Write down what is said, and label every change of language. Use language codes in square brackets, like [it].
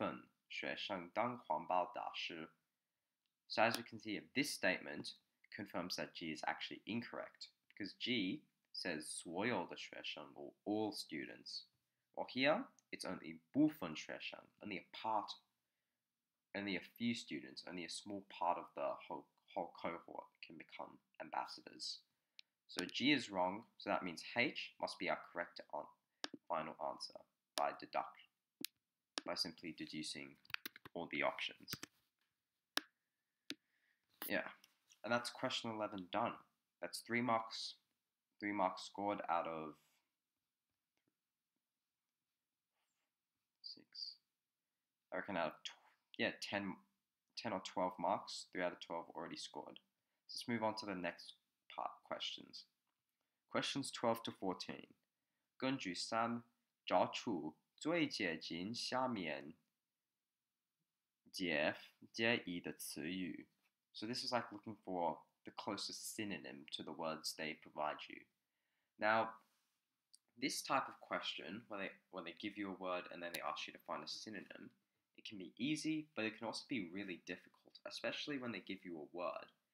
[zh] 陈小张也让部分学生当环保大师. [en] So as we can see, this statement confirms that G is actually incorrect, because G says [zh] 所有的学生, [en] or all students. While here, it's only [zh] 部分学生, [en] only a part, only a few students, only a small part of the whole cohort can become ambassadors. So G is wrong, so that means H must be our correct final answer. By simply deducing all the options. Yeah, and that's question 11 done. That's three marks scored out of six. I reckon out of 10 or 12 marks, 3 out of 12 already scored. Let's move on to the next part, questions. Questions 12 to 14. [zh] 根据三找出 最接近下面解一的词语. [en] So this is like looking for the closest synonym to the words they provide you. Now, this type of question, when they give you a word and then they ask you to find a synonym, it can be easy, but it can also be really difficult, especially when they give you a word